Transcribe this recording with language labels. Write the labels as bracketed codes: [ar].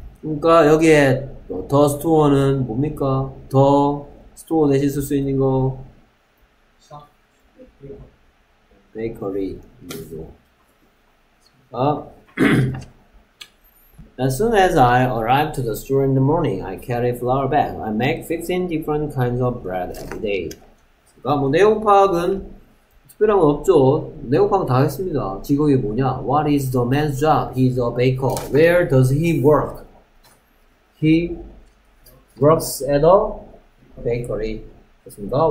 [ko] 그러니까 여기에 더 스토어는 뭡니까? 더 스토어 대신 쓸수 있는 거 베이커리 이거죠. 아. [en] As soon as I arrive to the store in the morning, I carry flour bag. I make 15 different kinds of bread every day. [ko] 그러니까 뭐 내용 파악은 특별한 건 없죠. 내용 파악 다 했습니다. 직업이 뭐냐? [en] What is the man's job? He's a baker. Where does he work? He works at a bakery. [ko] 그렇습니까?